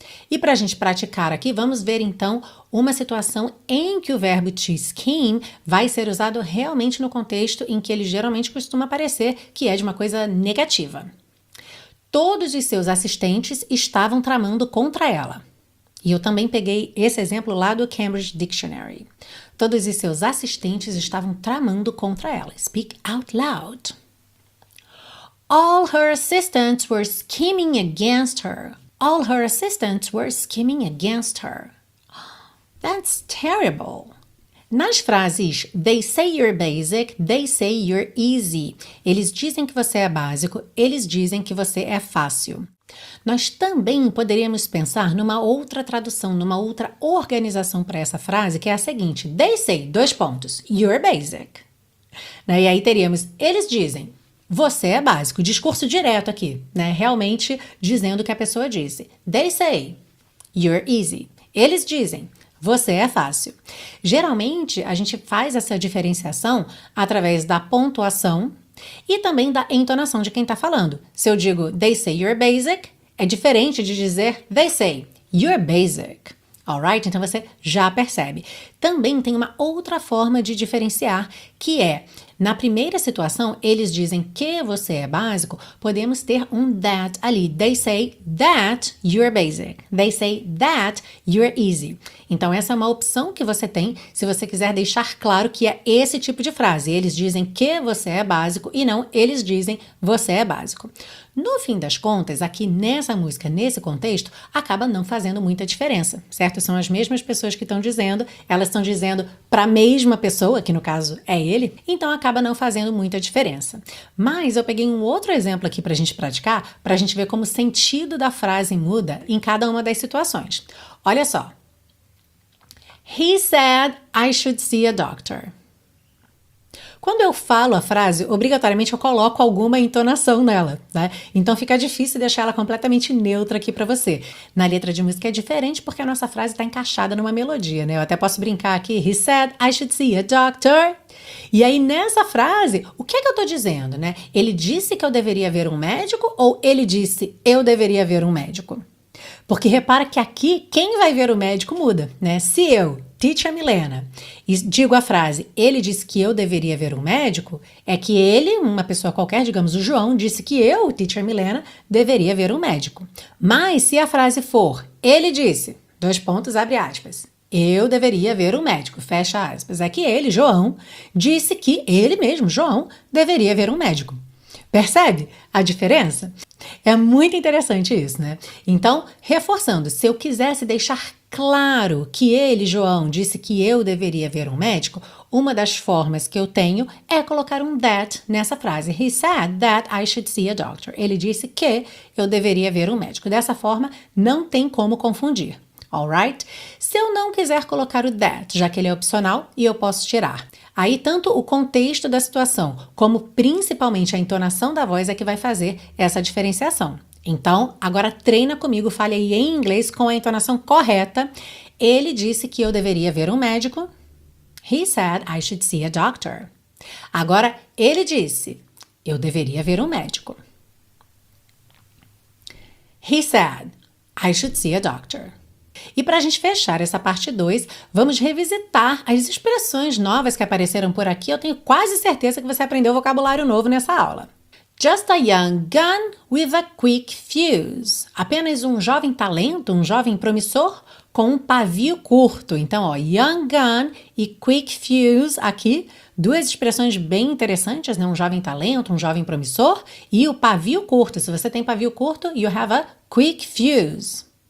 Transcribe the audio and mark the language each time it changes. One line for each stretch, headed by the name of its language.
Portuguese: E para a gente praticar aqui, vamos ver então uma situação em que o verbo to scheme vai ser usado realmente no contexto em que ele geralmente costuma aparecer, que é de uma coisa negativa. Todos os seus assistentes estavam tramando contra ela. E eu também peguei esse exemplo lá do Cambridge Dictionary. Todos os seus assistentes estavam tramando contra ela.
English: Speak out loud. All her assistants were scheming against her. All her assistants were scheming against her. That's terrible.
Portuguese: Nas frases,
English: they say you're basic, they say you're easy.
Portuguese: Eles dizem que você é básico, eles dizem que você é fácil. Nós também poderíamos pensar numa outra tradução, numa outra organização para essa frase, que é a seguinte.
English: They say,
Portuguese: dois pontos,
English: you're basic.
Portuguese: E aí teríamos, eles dizem. Você é básico, discurso direto aqui, né? Realmente dizendo o que a pessoa disse.
English: They say, you're easy.
Portuguese: Eles dizem, Você é fácil. Geralmente, a gente faz essa diferenciação através da pontuação e também da entonação de quem está falando. Se eu digo,
English: they say you're basic,
Portuguese: é diferente de dizer, they say you're basic. Alright? Então, você já percebe. Também tem uma outra forma de diferenciar, que é, na primeira situação, eles dizem que você é básico, podemos ter um that ali.
English: They say that you're basic. They say that you're easy.
Portuguese: Então, essa é uma opção que você tem se você quiser deixar claro que é esse tipo de frase. Eles dizem que você é básico e não eles dizem você é básico. No fim das contas, aqui nessa música, nesse contexto, acaba não fazendo muita diferença, certo? São as mesmas pessoas que estão dizendo, elas estão dizendo para a mesma pessoa, que no caso é ele, então acaba não fazendo muita diferença. Mas eu peguei um outro exemplo aqui para a gente praticar, para a gente ver como o sentido da frase muda em cada uma das situações. Olha só.
English: He said I should see a doctor.
Portuguese: Quando eu falo a frase, obrigatoriamente eu coloco alguma entonação nela, né? Então fica difícil deixar ela completamente neutra aqui pra você. Na letra de música é diferente porque a nossa frase tá encaixada numa melodia, né? Eu até posso brincar aqui.
English: He said I should see a doctor.
Portuguese: E aí nessa frase, o que é que eu tô dizendo, né? Ele disse que eu deveria ver um médico ou ele disse eu deveria ver um médico? Porque repara que aqui quem vai ver o médico muda, né? Se eu, teacher Milena, digo a frase, ele disse que eu deveria ver um médico, é que ele, uma pessoa qualquer, digamos o João, disse que eu, teacher Milena, deveria ver um médico. Mas se a frase for, ele disse, dois pontos, abre aspas, eu deveria ver um médico, fecha aspas, é que ele, João, disse que ele mesmo, João, deveria ver um médico. Percebe a diferença? É muito interessante isso, né? Então, reforçando, se eu quisesse deixar claro que ele, João, disse que eu deveria ver um médico, uma das formas que eu tenho é colocar um that nessa frase.
English: He said that I should see a doctor.
Portuguese: Ele disse que eu deveria ver um médico. Dessa forma, não tem como confundir. Alright? Se eu não quiser colocar o that, já que ele é opcional, e eu posso tirar. Aí, tanto o contexto da situação, como principalmente a entonação da voz é que vai fazer essa diferenciação. Então, agora treina comigo, fale aí em inglês com a entonação correta. Ele disse que eu deveria ver um médico.
English: He said I should see a doctor.
Portuguese: Agora, ele disse, eu deveria ver um médico.
English: He said I should see a doctor.
Portuguese: E para a gente fechar essa parte 2, vamos revisitar as expressões novas que apareceram por aqui. Eu tenho quase certeza que você aprendeu vocabulário novo nessa aula.
English: Just a young gun with a quick fuse.
Portuguese: Apenas um jovem talento, um jovem promissor com um pavio curto. Então, ó, young gun e quick fuse aqui. Duas expressões bem interessantes, né? Um jovem talento, um jovem promissor e o pavio curto. Se você tem pavio curto,
English: you have a quick fuse.